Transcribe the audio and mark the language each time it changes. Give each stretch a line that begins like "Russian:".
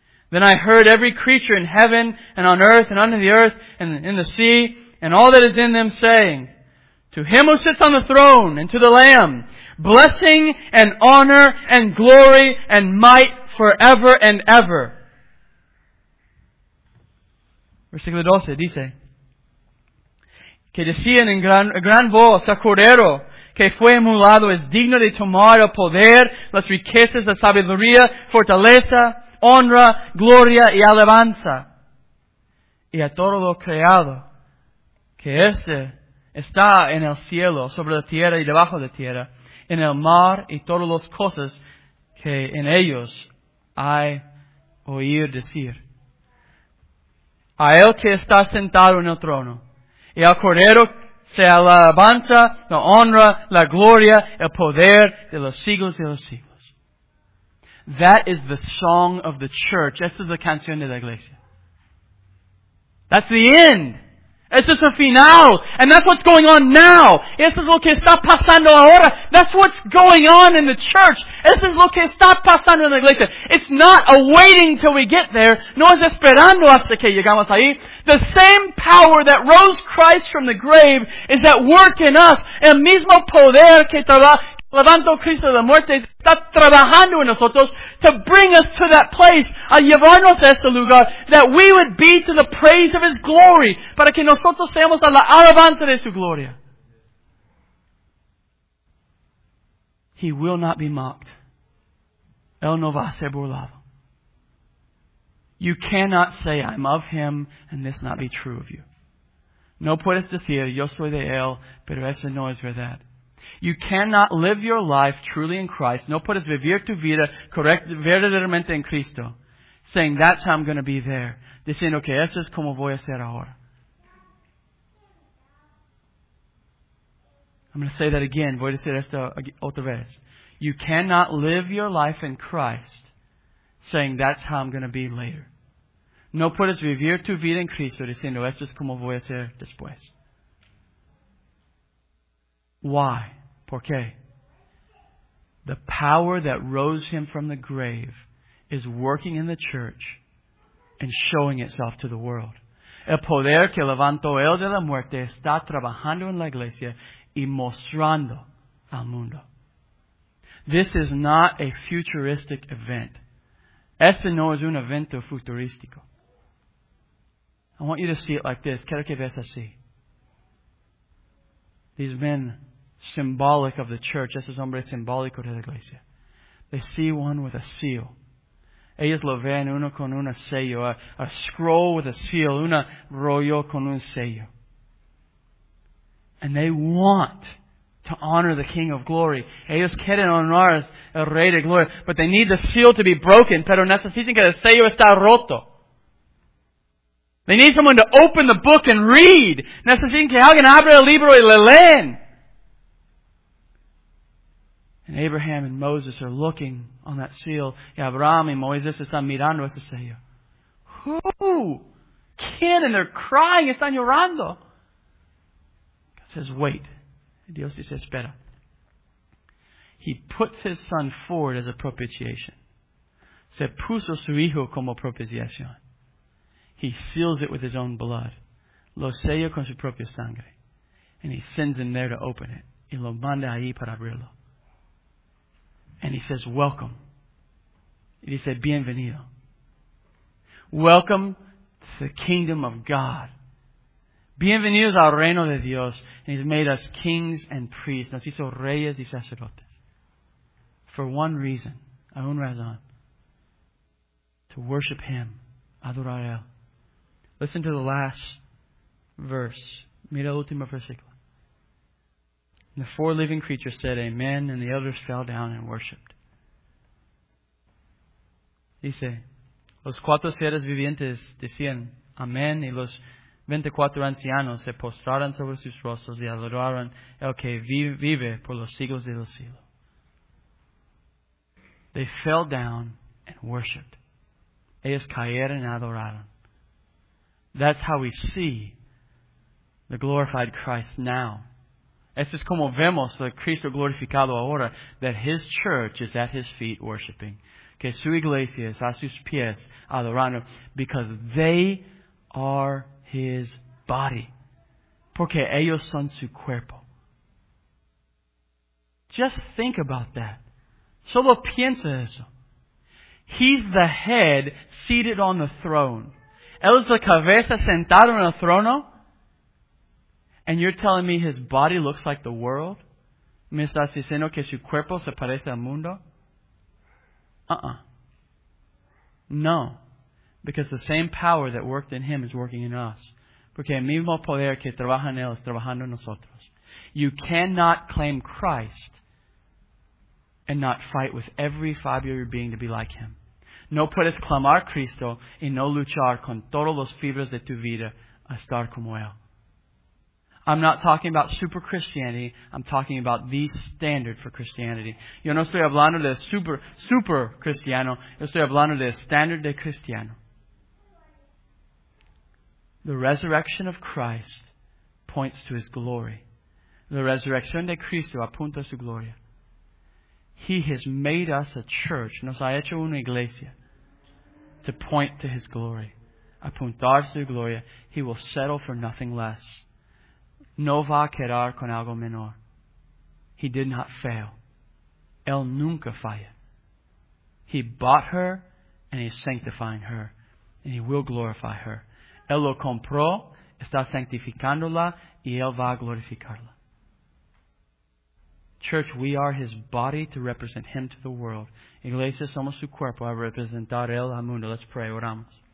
English: Then I heard every creature in heaven and on earth and under the earth and in the sea and all that is in them saying, "To Him who sits on the throne and to the Lamb, blessing and honor and glory and might forever and ever."
Spanish: Versículo 12 dice, que decían en gran voz, "El Cordero que fue inmolado es digno de tomar el poder, las riquezas, la sabiduría, fortaleza, honra, gloria y alabanza. Y a todo lo creado, que este está en el cielo, sobre la tierra y debajo de la tierra, en el mar y todas las cosas que en ellos hay oír decir. A él que está sentado en el trono, y al Cordero sea la alabanza, la honra, la gloria, el poder de los siglos de los siglos."
English: That is the song of the church.
Spanish: Esta es la canción de la iglesia.
English: That's the end.
Spanish: Esto es el final.
English: And that's what's going on now.
Spanish: Esto es lo que está pasando ahora.
English: That's what's going on in the church.
Spanish: Esto es lo que está pasando en la iglesia.
English: It's not a waiting till we get there.
Spanish: No es esperando hasta que llegamos ahí.
English: The same power that rose Christ from the grave is at work in us.
Spanish: El mismo poder que levantó Cristo de la muerte está trabajando en nosotros
English: to bring us to that place,
Spanish: a llevarnos a ese lugar,
English: that we would be to the praise of His glory,
Spanish: para que nosotros seamos a la alabanza de su gloria.
English: He will not be mocked.
Spanish: Él no va a ser burlado.
English: You cannot say, "I'm of Him, and this not be true of you."
Spanish: No puedes decir, "Yo soy de Él, pero eso no es verdad."
English: You cannot live your life truly in Christ,
Spanish: no puedes vivir tu vida correct, verdaderamente en Cristo,
English: saying, "That's how I'm going to be there,"
Spanish: diciendo que eso es como voy a ser ahora.
English: I'm going to say that again.
Spanish: Voy a decir esto otra vez.
English: You cannot live your life in Christ, saying, "That's how I'm going to be later."
Spanish: No puedes vivir tu vida en Cristo, diciendo, "Esto es como voy a ser después."
English: Why? Okay. The power that rose Him from the grave is working in the church and showing itself to the world.
Spanish: El poder que levantó Él de la muerte está trabajando en la iglesia y mostrando al mundo.
English: This is not a futuristic event.
Spanish: Este no es un evento futurístico.
English: I want you to see it like this.
Spanish: Quiero que veas así.
English: These men, symbolic of the church,
Spanish: esos hombres simbólicos de la iglesia,
English: they see one with a seal.
Spanish: Ellos lo ven uno con un sello,
English: a scroll with a seal,
Spanish: un rollo con un sello.
English: And they want to honor the King of Glory.
Spanish: Ellos quieren honrar al Rey de Gloria,
English: but they need the seal to be broken,
Spanish: pero necesitan que el sello está roto.
English: They need someone to open the book and read.
Spanish: Necesitan que alguien abra el libro y le leen.
English: And Abraham and Moses are looking on that seal.
Spanish: Y Abraham y Moisés están mirando ese sello.
English: Who? Can? And they're crying.
Spanish: Están llorando.
English: God says, "Wait."
Spanish: Dios dice, "Espera."
English: He puts His Son forward as a propitiation.
Spanish: Se puso su Hijo como propiciación.
English: He seals it with His own blood.
Spanish: Lo sella con su propia sangre.
English: And He sends Him there to open it.
Spanish: Y lo manda ahí para abrirlo.
English: And He says, "Welcome."
Spanish: Y dice, "Bienvenido."
English: Welcome to the kingdom of God.
Spanish: Bienvenidos al reino de Dios.
English: And He's made us kings and priests.
Spanish: Nos hizo reyes y sacerdotes.
English: For one reason,
Spanish: a un razón.
English: To worship Him.
Spanish: Adorar a Él.
English: Listen to the last verse.
Spanish: Mira el último versículo.
English: And the four living creatures said, "Amen," and the elders fell down and worshipped.
Spanish: Dice, los cuatro seres vivientes decían, "Amén," y los 24 ancianos se postraron sobre sus rostros y adoraron el que vive por los siglos de los siglos.
English: They fell down and worshipped.
Spanish: Ellos cayeron y adoraron.
English: That's how we see the glorified Christ now.
Spanish: Es es como vemos el Cristo glorificado ahora,
English: that His church is at His feet worshiping.
Spanish: Que su iglesia es a sus pies adorando,
English: because they are His body.
Spanish: Porque ellos son su cuerpo.
English: Just think about that.
Spanish: Solo piensa eso.
English: He's the head seated on the throne.
Spanish: Él es la cabeza sentado en el trono.
English: And you're telling me His body looks like the world?
Spanish: ¿Me estás diciendo que su cuerpo se parece al mundo?
English: Uh-uh. No. Because the same power that worked in Him is working in us.
Spanish: Porque el mismo poder que trabaja en Él es trabajando en nosotros.
English: You cannot claim Christ and not fight with every fiber of your being to be like Him.
Spanish: No puedes clamar Cristo y no luchar con todos los fibras de tu vida a estar como Él.
English: I'm not talking about super Christianity. I'm talking about the standard for Christianity.
Spanish: Yo no estoy hablando de super cristiano. Yo estoy hablando de standard de cristiano.
English: The resurrection of Christ points to His glory.
Spanish: La resurrección de Cristo apunta a su gloria.
English: He has made us a church.
Spanish: Nos ha hecho una iglesia.
English: To point to His glory.
Spanish: Apuntar su gloria.
English: He will settle for nothing less.
Spanish: No va a quedar con algo menor.
English: He did not fail.
Spanish: Él nunca falla.
English: He bought her and He is sanctifying her. And He will glorify her.
Spanish: Él lo compró, está sanctificándola y Él va a glorificarla.
English: Church, we are His body to represent Him to the world.
Spanish: Iglesia, somos su cuerpo a representar Él al mundo.
English: Let's pray.
Spanish: Oramos.